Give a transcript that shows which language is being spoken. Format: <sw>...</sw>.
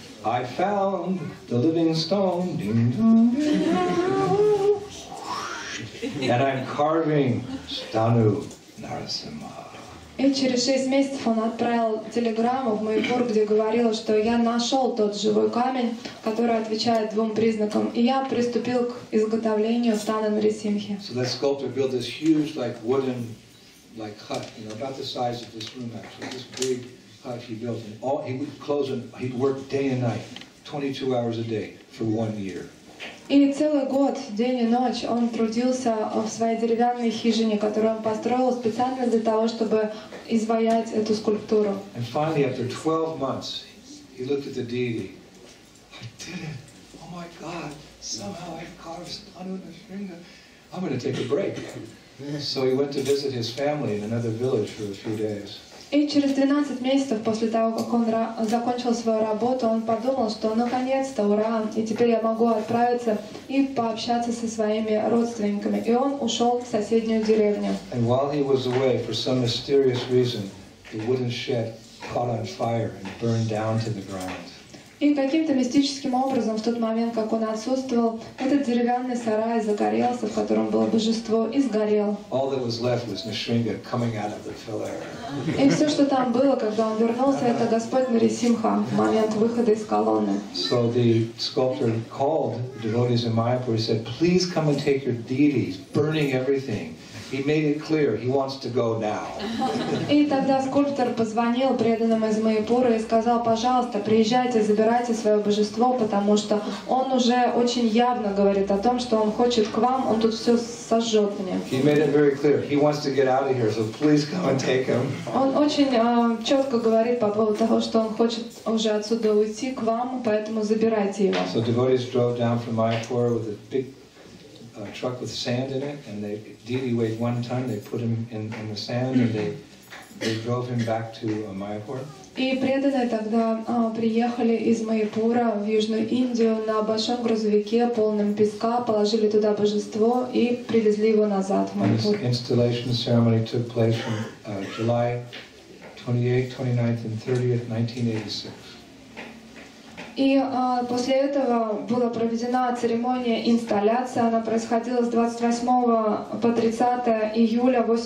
<en>I found the living stone. And I'm carving Stanu Narasimha.</en> <ru>И через 6 месяцев он отправил телеграмму в Майпур, где говорил, что я нашел тот живой камень, который отвечает двум признакам, и я приступил к изготовлению Стана Нарисимхи.</ru> <en>So that sculptor built this huge, like wooden, like hut, you know, about the size of this room actually. This big hut he built, and all he would close and he'd work day and night, 22 hours a day for 1 year.</en> <ru>И целый год, день и ночь, он трудился в своей деревянной хижине, которую он построил специально для того, чтобы изваять эту скульптуру.</ru> <en>And finally, after 12 months, he looked at the deity. I did it! Oh my God! Somehow I carved Stanu Narasimha. I'm going to take a break. So he went to visit his family in another village for a few days.</en> <ru>И через 12 месяцев после того, как он закончил свою работу, он подумал, что наконец-то, ура, и теперь я могу отправиться и пообщаться со своими родственниками. И он ушел в соседнюю деревню.</ru> <en>And while he was away, for some mysterious reason, the wooden shed caught on fire and burned down to the ground.</en> <ru>И каким-то мистическим образом, в тот момент, как он отсутствовал, этот деревянный сарай загорелся, в котором было божество, и сгорел.</ru> <en>All that was left was Nrisimha coming out of the pillar.</en> <ru>И все, что там было, когда он вернулся, это Господь Нарисимха в момент выхода из колонны.</ru> <en>So the sculptor called the devotees in Mayapur. He said, please come and take your deity. He's burning everything. He made it clear he wants to go now.</en> <ru>И тогда скульптор позвонил преданным из Майпура и сказал: "Пожалуйста, приезжайте, забирайте свое божество, потому что он уже очень явно говорит о том, что он хочет к вам. Он тут все сожжет мне."</ru> <en>He made it very clear he wants to get out of here, so please come and take him.</en> <ru>Он очень четко говорит по поводу того, что он хочет уже отсюда уйти к вам, поэтому забирайте его.</ru> <en>So devotees drove down from Mayapur with a big a truck with sand in it, and the deity weighed 1 ton. They put him in the sand, and they drove him back to Mayapur.</en> <ru>И преданные тогда приехали из Майпура в Южную Индию на большом грузовике, полном песка, положили туда божество и привезли его назад в Майпур.</ru> <en>The installation ceremony took place from July 28th, 29th, and 30th, 1986.</en> <ru>И после этого была проведена церемония инсталляции. Она происходила с 28 по 30 июля</ru>